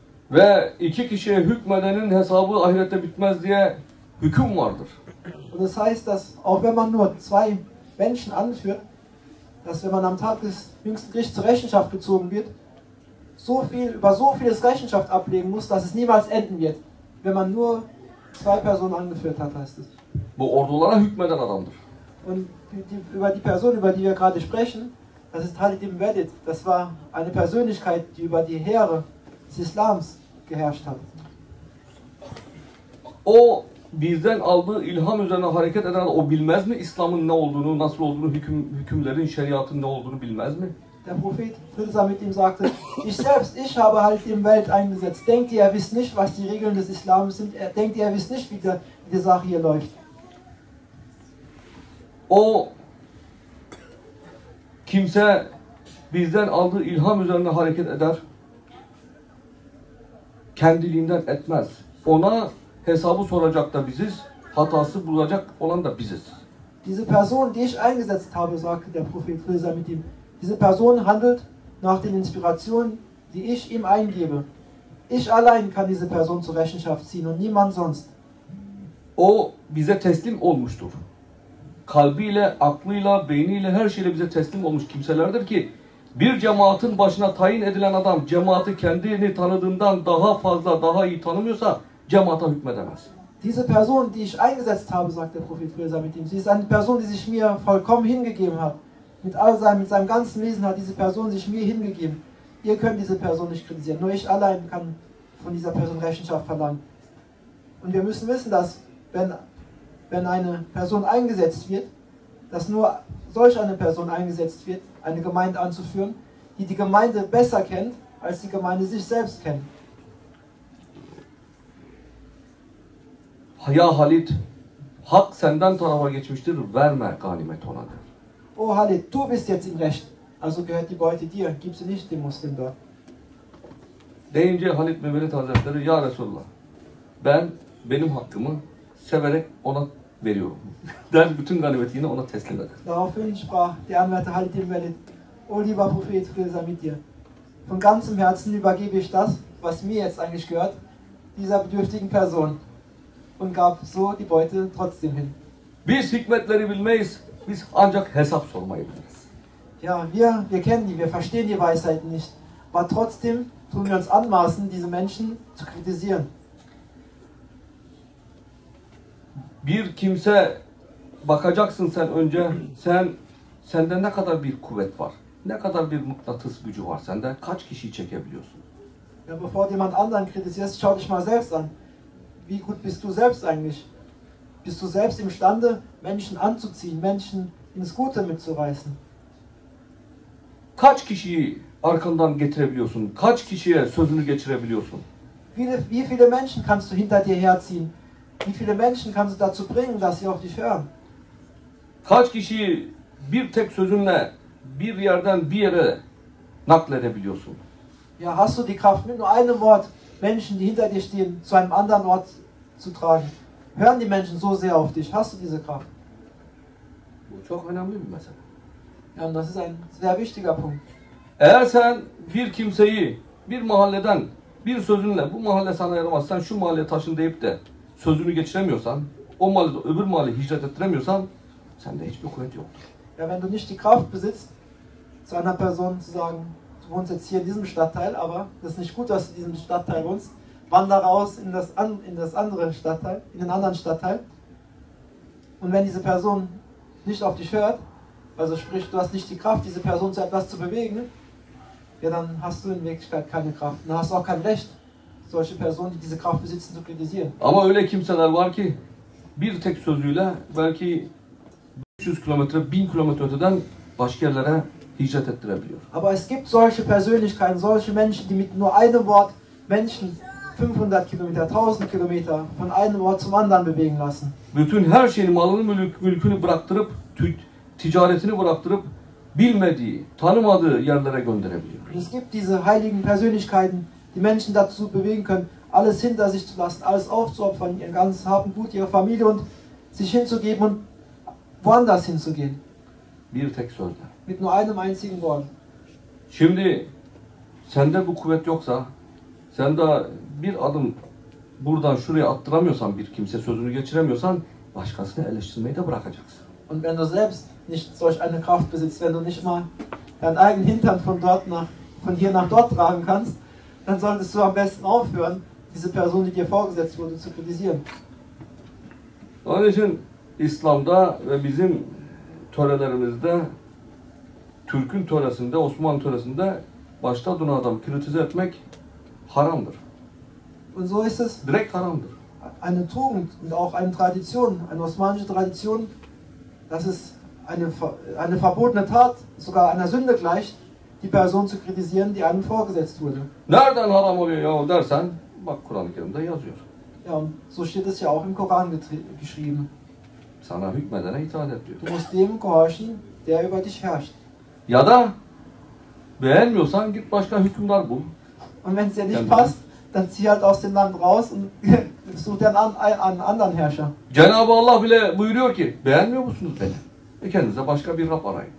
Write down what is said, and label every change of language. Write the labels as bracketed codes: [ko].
[tr] Ve iki kişiye hükmedenin hesabı ahirette bitmez diye hüküm vardır. [de] Und das heißt, dass auch wenn man nur zwei Menschen anführt, dass wenn man am Tag des jüngsten Gerichts zur Rechenschaft gezogen wird, so viel über so vieles Rechenschaft ablegen muss, dass es niemals enden wird, wenn man nur zwei Personen angeführt hat, heißt es. [tr] Bu ordulara hükmeden adamdır. [de] Und über die Person, über die wir gerade sprechen, das ist Halid ibn Velid. Das war eine Persönlichkeit, die über die Heere des Islams geherrscht hat. [tr] O bizden aldığı ilham üzerine hareket eden, o bilmez mi İslam'ın ne olduğunu, nasıl olduğunu, hükümlerin, şeriatın ne olduğunu bilmez mi? [de] Der Prophet Hilsa mit ihm sagte, ich habe halt im Welt eingesetzt. Denkt ihr, er wisst nicht, was die Regeln des Islam sind? Denkt ihr, er wisst nicht, wie die Sache hier läuft? [tr] O kimse bizden aldığı ilham üzerine hareket eder, kendiliğinden etmez. Ona hesabı soracak da biziz, hatası bulacak olan da biziz. [de] Diese Person, die ich eingesetzt habe, sagte der Prophet Hilsa mit ihm, diese Person handelt nach den Inspirationen, die ich ihm eingebe. Ich allein kann diese Person zur Rechenschaft ziehen und niemand sonst. [tr] O bize teslim olmuştur. Kalbiyle, aklıyla, beyniyle, her şeyle bize teslim olmuş kimselerdir ki bir cemaatin başına tayin edilen adam cemaati kendini tanıdığından daha fazla, daha iyi tanımıyorsa cemaata hükmedemez. [de] Diese Person, die ich eingesetzt habe, sagt der Prophet Hilsa mit ihm, sie ist eine Person, die sich mir vollkommen hingegeben hat. Mit seinem ganzen Wesen hat diese Person sich mir hingegeben. Ihr könnt diese Person nicht kritisieren. Nur ich allein kann von dieser Person Rechenschaft verlangen. Und wir müssen wissen, dass wenn eine Person eingesetzt wird, dass nur solch eine Person eingesetzt wird, eine Gemeinde anzuführen, die die Gemeinde besser kennt, als die Gemeinde sich selbst kennt. [tr] Ya Halid, hak senden tarafa geçmiştir, verme ganimet ona. [de] O Halid, du bist jetzt im Recht. Also gehört die Beute dir. Gib sie nicht dem Muslim dort. [tr] Deyince Halid bin Velid Hazretleri, ya Resulullah, benim hakkımı severek ona veriyorum. Der bütün ganimeti yine ona teslim eder. [de] Daraufhin sprach der Anwärter Halid bin Velid, o lieber Prophet, Friede sei mit dir. Von ganzem Herzen übergebe ich das, was mir jetzt eigentlich gehört, dieser bedürftigen Person. Und gab so die Beute trotzdem hin. [tr] Biz hikmetleri bilmeyiz. Biz ancak hesap sormayı biliriz. [de] Ja, wir kennen die, wir verstehen die Weisheiten nicht. Aber trotzdem tun wir uns anmaßen, diese Menschen zu kritisieren. [tr] Bir kimse, bakacaksın sen önce, sende ne kadar bir kuvvet var? Ne kadar bir mıknatıs gücü var sende? Kaç kişiyi çekebiliyorsun? [de] Ja, bevor du jemand anderen kritisierst, schau dich mal selbst an. Wie gut bist du selbst eigentlich? Bist du selbst imstande, Menschen anzuziehen, Menschen ins Gute mitzureißen? [tr] Kaç kişiyi arkandan getirebiliyorsun? Kaç kişiye sözünü geçirebiliyorsun? [de] Wie viele Menschen kannst du hinter dir herziehen? Wie viele Menschen kannst du dazu bringen, dass sie auf dich hören? [tr] Kaç kişiyi bir tek sözünle bir yerden bir yere nakledebiliyorsun? [de] Ja, hast du die Kraft, mit nur einem Wort Menschen, die hinter dir stehen, zu einem anderen Ort zu tragen? Hören die Menschen so sehr auf dich? Hast du diese Kraft? [tr] Bu çok önemli bir mesele. [de] Ja, und das ist ein sehr wichtiger Punkt. [tr] Eğer sen bir kimseyi bir mahalleden bir sözünle bu mahalle sana yaramaz, sen şu mahalleye taşın deyip de sözünü geçiremiyorsan, o mahallede öbür mahalle hicret ettiremiyorsan, sende hiçbir kuvvet yoktur. [de] Ja, wenn du nicht die Kraft besitzt, zu einer Person zu sagen, du wohnst jetzt hier in diesem Stadtteil, aber das ist nicht gut, dass du in diesem Stadtteil wohnst, wandere aus in den anderen Stadtteil. Und wenn diese Person nicht auf dich hört, also sprich, du hast nicht die Kraft, diese Person zu etwas zu bewegen, ja, dann hast du in Wirklichkeit keine Kraft. Dann hast du auch kein Recht, solche Personen, die diese Kraft besitzen, zu kritisieren. [tr] Ama öyle kimseler var ki, bir tek sözüyle belki 500 kilometre, 1000 kilometre öteden başka yerlere hicret ettirebiliyor. [de] Aber es gibt solche Persönlichkeiten, solche Menschen, die mit nur einem Wort Menschen 500 Kilometer, 1000 Kilometer von einem Ort zum anderen bewegen lassen. [tr] Bütün her şeyini, malını, mülkünü bıraktırıp, ticaretini bıraktırıp bilmediği, tanımadığı yerlere gönderebiliyor. [de] Es gibt diese heiligen Persönlichkeiten, die Menschen dazu bewegen können, alles hinter sich zu lassen, alles aufzuopfern, ihr ganzes Hab und Gut, ihre Familie und sich hinzugeben und woanders hinzugehen. [tr] Bir tek sözle. [de] Mit nur einem einzigen Wort. [tr] Şimdi sende bu kuvvet yoksa, sen daha bir adım buradan şuraya attıramıyorsan, bir kimse sözünü geçiremiyorsan, başkasını eleştirmeyi de bırakacaksın. [de] Und wenn du selbst nicht solch eine Kraft besitzt, wenn du nicht mal deinen eigenen Hintern von dort nach, von hier nach dort tragen kannst, dann solltest du am besten aufhören, diese Person, die dir vorgesetzt wurde, zu kritisieren. [tr] Onun için İslam'da ve bizim törelerimizde, Türk'ün töresinde, Osmanlı töresinde başta duran adam kritize etmek haramdır. [de] Und so ist es. [tr] Direkt haramdır. [de] Eine Tugend und auch eine Tradition, eine osmanische Tradition, das ist eine verbotene Tat, sogar einer Sünde gleicht, die Person zu kritisieren, die einem vorgesetzt wurde. [tr] Nereden haram oluyor ya dersen, bak Kur'an-ı Kerim'de yazıyor. [de] Ja, und so steht es ja auch im Koran geschrieben. [tr] Sana hükmedene itaat et diyor. [de] Du musst dem gehorchen, der über dich herrscht. [tr] Ya da beğenmiyorsan git başka hükümdar bul. [de] Und wenn es dir nicht passt, dann zieh halt aus dem Land raus und such dir einen anderen Herrscher. [tr] Cenab-ı Allah bile buyuruyor ki, beğenmiyor musunuz beni? Kendinize başka bir Rab arayın.